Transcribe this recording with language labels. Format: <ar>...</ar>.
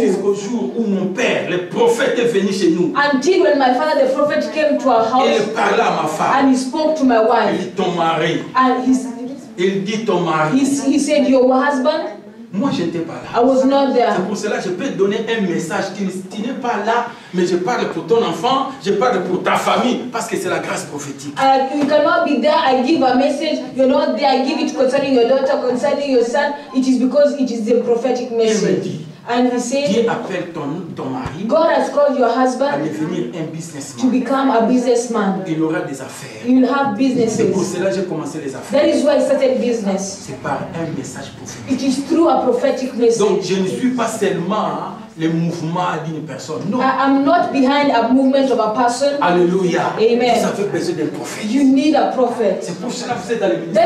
<fr>Jusqu'au jour où mon père, le prophète, est venu chez nous.</fr> <en>Until when my father, the prophet, came to our house.</en> <fr>Et il parla à ma femme.</fr> <en>And he spoke to my wife.</en> <fr>Il dit ton mari.</fr> <en>And</en> <fr>il dit ton mari.</fr> <en>He said your husband.</en> <fr>Moi, je n'étais pas là.</fr> <en>I was not there.</en> <fr>C'est pour cela que je peux te donner un message. Tu n'es pas là, mais je parle pour ton enfant, je parle pour ta famille, parce que c'est la grâce prophétique.</fr> <en>You cannot be there. I give a message. You're not there. I give it concerning your daughter, concerning your son. It is because it is the prophetic message.</en> <fr>Il me dit,</fr> <en>and he said,</en> <fr>Dieu appelle ton mari.</fr> <en>God has called your husband</en> <fr>à devenir un businessman.</fr> <en>To become a businessman.</en> <fr>Il aura des affaires.</fr> <en>You'll have businesses.</en> <fr>C'est pour cela que j'ai commencé les affaires.</fr> <en>That is why I started business.</en> <fr>C'est par un message prophétique.</fr> <en>It is through a prophetic message.</en> <fr>Donc je ne suis pas seulement le mouvement d'une personne. Non.</fr> <en>I'm not behind a movement of a person.</en> <fr>Alléluia.</fr> <en>Amen.</en> <fr>Vous avez besoin d'un prophète.</fr> <en>You need a prophet.</en> <fr>C'est pour cela que vous êtes dans le ministère.</fr>